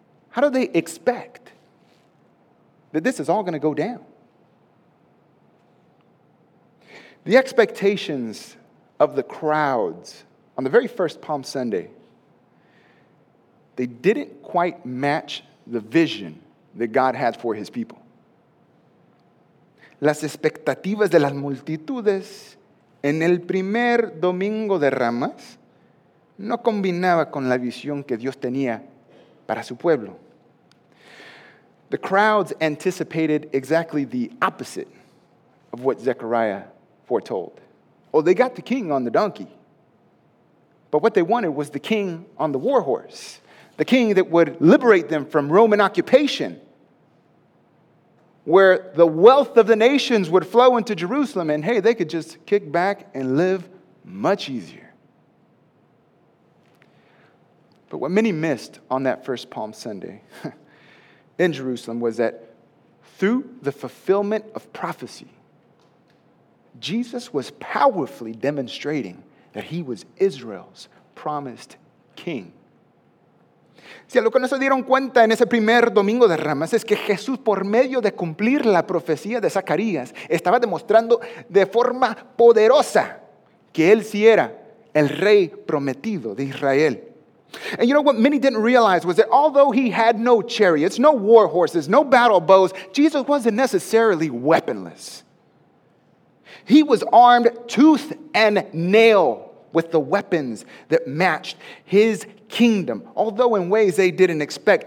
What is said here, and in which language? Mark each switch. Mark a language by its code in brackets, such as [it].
[en] How do they expect that this is all going to go down? The expectations of the crowds on the very first Palm Sunday, they didn't quite match the vision that God had for his people. [es] Las expectativas de las multitudes en el primer domingo de Ramas no combinaba con la visión que Dios tenía para su pueblo. [en] The crowds anticipated exactly the opposite of what Zechariah foretold. Well, they got the king on the donkey, but what they wanted was the king on the war horse, the king that would liberate them from Roman occupation. where the wealth of the nations would flow into Jerusalem, and hey, they could just kick back and live much easier. But what many missed on that first Palm Sunday in Jerusalem was that through the fulfillment of prophecy, Jesus was powerfully demonstrating that he was Israel's promised king. [es] Si a lo que no se dieron cuenta en ese primer domingo de Ramas es que Jesús, por medio de cumplir la profecía de Zacarías, estaba demostrando de forma poderosa que él sí era el rey prometido de Israel. [en] And you know what many didn't realize was that although he had no chariots, no war horses, no battle bows, Jesus wasn't necessarily weaponless. He was armed tooth and nail with the weapons that matched his kingdom, although in ways they didn't expect.